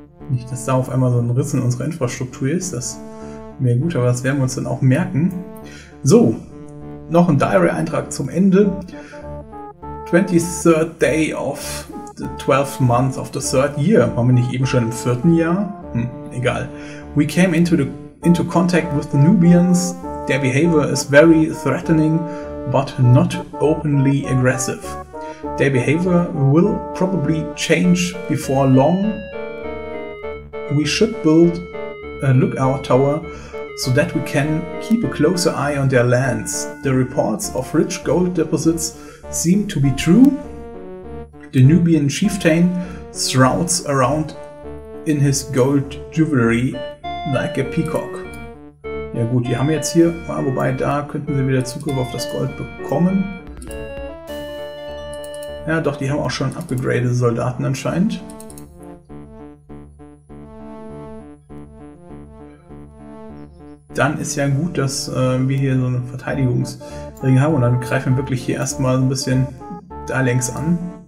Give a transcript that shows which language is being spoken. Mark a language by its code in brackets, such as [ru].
[de] Nicht, dass da auf einmal so ein Riss in unserer Infrastruktur ist. Das wäre gut, aber das werden wir uns dann auch merken. So, noch ein Diary-Eintrag zum Ende. [en] 23rd day of the 12th month of the 3rd year. [de] Waren wir nicht eben schon im 4. Jahr? Egal. [en] We came into contact with the Nubians. Their behavior is very threatening, but not openly aggressive. Their behavior will probably change before long. We should build a lookout tower so that we can keep a closer eye on their lands. The reports of rich gold deposits seem to be true. The Nubian chieftain shrouds around in his gold jewelry like a peacock. [de] Ja gut, die haben jetzt hier, wobei da könnten sie wieder Zugriff auf das Gold bekommen. Ja doch, die haben auch schon upgradete Soldaten anscheinend. Dann ist ja gut, dass wir hier so eine Verteidigungsring haben und dann greifen wir wirklich hier erstmal ein bisschen da längs an.